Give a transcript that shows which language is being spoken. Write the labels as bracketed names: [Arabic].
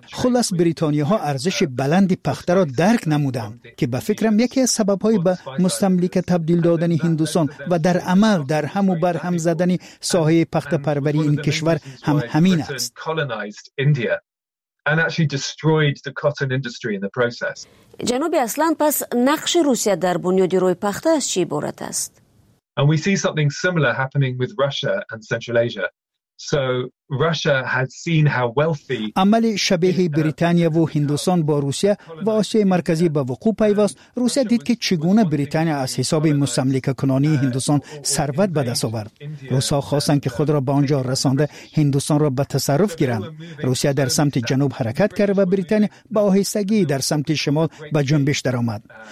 [Persian] خلاص بریتانیا ها ارزش بلند پخته را درک نمودند که به فکرم یکی از سبب های به مستملکه تبدیل دادن هندوستان و در عمل در هم و بر هم زدن ساحه پخته پروری این کشور هم همین است. جناب اصلان، پس نقش روسیه در بنیاد روی پخته از چی عبارت است؟ [English] And we see something similar happening with Russia and Central Asia. So Russia had seen how wealthy [Persian] عملی شبیه بریتانیا و هندوستان با روسیه و آسیای مرکزی به وقوع پیوست. روسیه دید که چگونه بریتانیا از حساب مستملکه کنونی هندوستان ثروت به دست آورد. روس‌ها خواستند که خود را به آنجا رسانده هندوستان را به تصرف گیرند. روسیه در سمت جنوب حرکت کرد و بریتانیا با آهستگی در سمت شمال به جنبش درآمد.